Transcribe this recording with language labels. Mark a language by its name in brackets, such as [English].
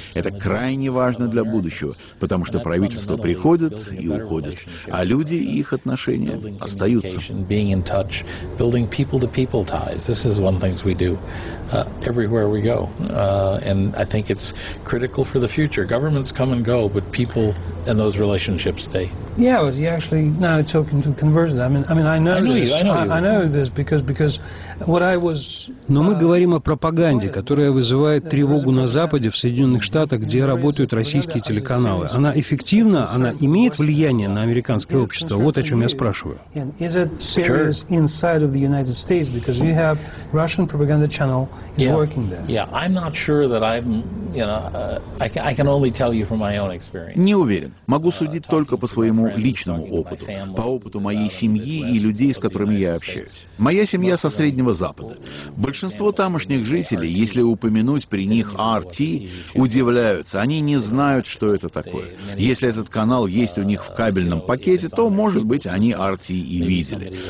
[Russian] Это крайне важно для будущего, потому что правительство приходит и уходит, а люди и их отношения остаются. [English] Yeah, but you actually now talking to conversion. I mean, I know this because what I was. [Russian] Но мы говорим о пропаганде, которая вызывает тревогу на Западе, в Соединенных Штатах, где работают российские телеканалы. Она эффективна, она имеет влияние на американское общество. Вот о чем я спрашиваю. [English] Is it serious inside of the United States because you have Russian propaganda channel is working there? Yeah, I'm not sure that I'm. I can only tell you from my own experience. [Russian] Не уверен. Могу судить только по своему личному опыту, по опыту моей семьи и людей, с которыми я общаюсь. Моя семья со Среднего Запада. Большинство тамошних жителей, если упомянуть при них RT, удивляются. Они не знают, что это такое. Если этот канал есть у них в кабельном пакете, то, может быть, они RT и видели.